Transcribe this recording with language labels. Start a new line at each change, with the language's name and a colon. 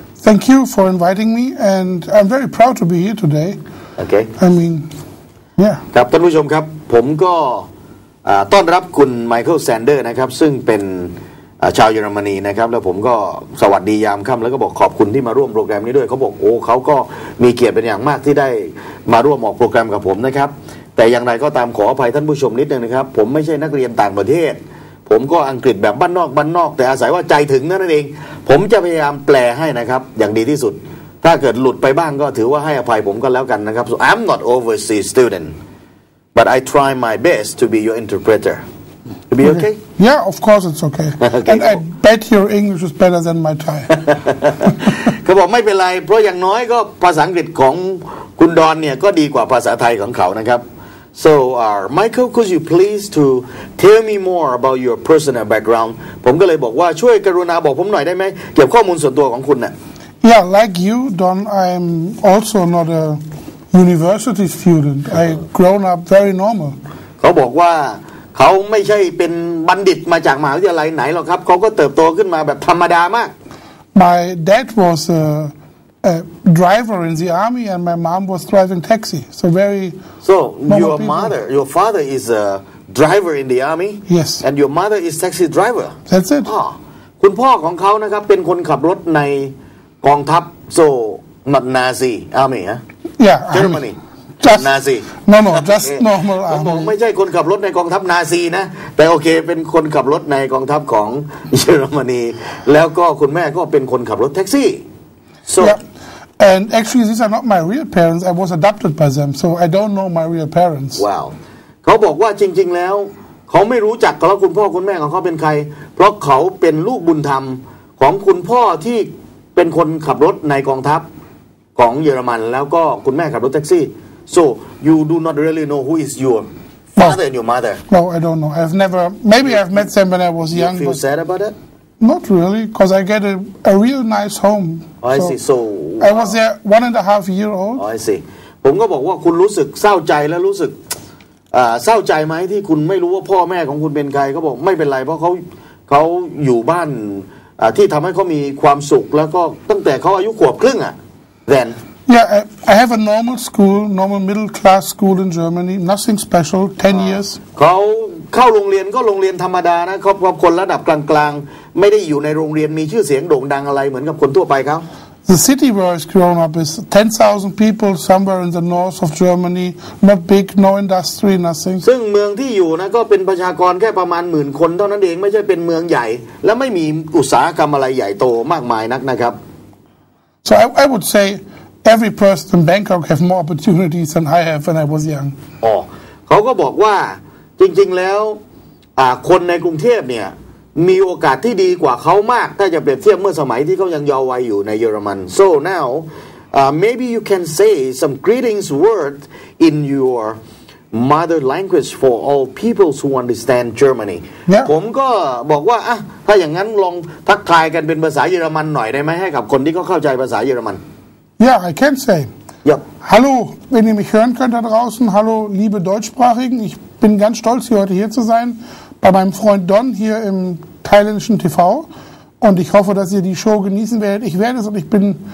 English: Thank you for inviting me, and I'm very proud to be here today. Okay. I mean, yeah.
Thai: ครับท่านผู้ชมครับผมก็ต้อนรับคุณ Michael Sander นะครับซึ่งเป็นชาวเยอรมนีนะครับแล้วผมก็สวัสดียามค่ำแล้วก็บอกขอบคุณที่มาร่วมโปรแกรมนี้ด้วยเขาบอกโอ้เขาก็มีเกียรติเป็นอย่างมากที่ได้ มาร่วมออกโปรแกรมกับผมนะครับแต่อย่างไรก็ตามขออภัยท่านผู้ชมนิดนึงนะครับผมไม่ใช่นักเรียนต่างประเทศผมก็อังกฤษแบบบ้านนอกบ้านนอกแต่อาศัยว่าใจถึงนั่นเองผมจะพยายามแปลให้นะครับอย่างดีที่สุดถ้าเกิดหลุดไปบ้างก็ถือว่าให้อภัยผมก็แล้วกันนะครับ
English: so, I'm not overseas student but I try my best to be your interpreterWill be okay? Yeah, of course it's okay. okay. And I bet your English is better than my Thai.
Thai: เขาบอกไม่เป็นไรเพราะอย่างน้อยก็ภาษาอังกฤษของคุณดอนเนี่ยก็ดีกว่าภาษาไทยของเขานะครับ
English: So, Michael, could you please to tell me more about your personal background?
Thai: ผมก็เลยบอกว่าช่วยกรุณาบอกผมหน่อยได้ไหมเก็บข้อมูลส่วนตัวของคุณน่ะ
English: Yeah, like you, Don, I'm also not a university student. I grown up very normal.
Thai: เขาบอกว่าเขาไม่ใช่เป็นบัณฑิตมาจากมหาวิทยาลัยไหนหรอกครับเขาก็เติบโตขึ้นมาแบบธรรมดามาก
English: My dad was a driver in the army and my mom was driving taxi so very So your mother your father is a driver in the army Yes and your mother is taxi driver That's it
Thai: คุณพ่อของเขานะครับเป็นคนขับรถในกองทัพ
English: so Nazi army
Thai: ฮะ
English: Yeah Germany
Thai: นาซี
English: Normal just normal
Thai: ผมบอกไม่ใช่คนขับรถในกองทัพนาซีนะแต่โอเคเป็นคนขับรถในกองทัพของเยอรมนีแล้วก็คุณแม่ก็เป็นคนขับรถแท็กซี่
English: So and actually these are not my real parents I was adopted by them so I don't know my real parents
Thai: Wow เขาบอกว่าจริงๆแล้วเขาไม่รู้จักกับคุณพ่อคุณแม่ของเขาเป็นใครเพราะเขาเป็นลูกบุญธรรมของคุณพ่อที่เป็นคนขับรถในกองทัพของเยอรมันแล้วก็คุณแม่ขับรถแท็กซี่
English: So you do not really know who is your father and your mother. No, I don't know. I've never. Maybe I've met them when I was young. You feel sad about it? Not really, because I get a real nice home. Oh, I see. So I was there 1.5 years old. Oh, I see.
Thai: ผมก็บอกว่าคุณรู้สึกเศร้าใจและรู้สึกเศร้าใจไหมที่คุณไม่รู้ว่าพ่อแม่ของคุณเป็นใครก็บอกไม่เป็นไรเพราะเขาอยู่บ้านที่ทำให้เขามีความสุขแล้วก็ตั้งแต่เขาอายุขวบครึ่งอ่ะ then.
English: Yeah, I have a normal school, normal middle class school in Germany. Nothing special. 10 years.
Thai: เขาเข้าโรงเรียนก็โรงเรียนธรรมดานะครับคนระดับกลางๆไม่ได้อยู่ในโรงเรียนมีชื่อเสียงโด่งดังอะไรเหมือนกับคนทั่วไปครับ
English: The city where I've grown up is 10,000 people somewhere in the north of Germany. Not big, no industry, nothing.
Thai: ซึ่งเมืองที่อยู่นะก็เป็นประชากรแค่ประมาณ 10,000 คนเท่านั้นเองไม่ใช่เป็นเมืองใหญ่และไม่มีอุตสาหกรรมอะไรใหญ่โตมากมายนักนะครับ
English: So I would sayEvery person in Bangkok have more opportunities than I have when I was young.
Thai: Oh, เขาก็บอกว่าจริงๆแล้วคนในกรุงเทพเนี่ยมีโอกาสที่ดีกว่าเขามากถ้าจะเปรียบเทียบเมื่อสมัยที่เขายังเยาว์วัยอยู่ในเยอรมัน
English: So now, maybe you can say some greetings word in your mother language for all people who understand Germany. Yeah.
Thai: ผมก็บอกว่าถ้าอย่างนั้นลองทักทายกันเป็นภาษาเยอรมันหน่อยได้ไหมให้กับคนที่เขาเข้าใจภาษาเยอรมัน
English: Yeah, I can say. Yep.
German: Hallo, wenn ihr mich hören könnt da draußen. Hallo, liebe Deutschsprachigen. Ich bin ganz stolz, hier heute hier zu sein bei meinem Freund Don hier im thailändischen TV. Und ich hoffe, dass ihr die Show genießen werdet. Ich werde es und ich bin